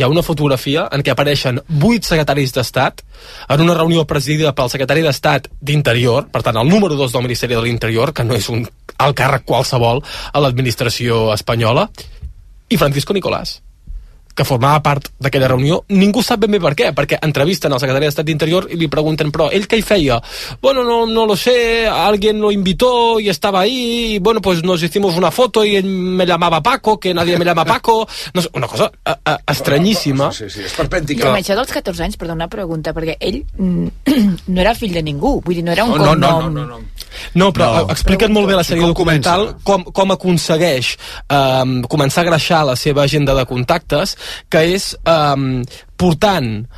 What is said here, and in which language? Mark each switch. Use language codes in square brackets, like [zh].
[ca] Hi ha una fotografia en què apareixen 8 secretaris d'Estat en una reunió presidida pel secretari d'Estat d'Interior, per tant el número 2 del Ministeri de l'Interior, que no és un el càrrec qualsevol a l'administració espanyola, i Francisco Nicolás, que formava part d'aquella reunió. Ningú sap ben bé per què, perquè entrevisten el secretari d'Estat d'Interior i li pregunten, però ell què hi feia? [es] Bueno, no lo sé, alguien lo invitó y estaba ahí, y bueno, pues nos hicimos una foto y me llamaba Paco, que nadie me llama Paco. [ca] No sé, una cosa estranyíssima. Sí, és perpèntica. I amb això dels 14 anys, perdona, una pregunta, perquè ell no era fill de ningú, vull dir, no era un cognom. No, però no. Expliquen molt bé la sèrie documental com aconsegueix començar a greixar la seva agenda de contactes, que és portant